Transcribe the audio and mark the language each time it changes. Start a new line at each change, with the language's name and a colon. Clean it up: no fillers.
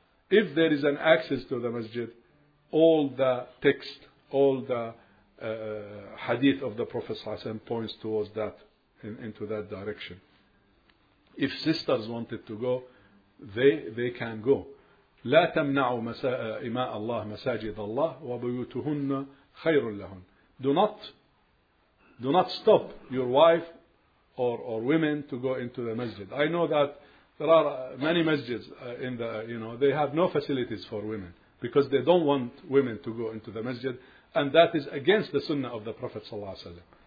English: If there is an access to the masjid, all the text, all the hadith of the Prophet ﷺ points towards that, into that direction. If sisters wanted to go, they can go.
Arabic: لا تمنعوا إماء الله مساجد الله وبيوتهن خير لهن.
English: Do not stop your wife or women to go into the masjid. I know that there are many masjids in the, you know, they have no facilities for women because they don't want women to go into the masjid, and that is against the sunnah of the Prophet صلى الله عليه وسلم.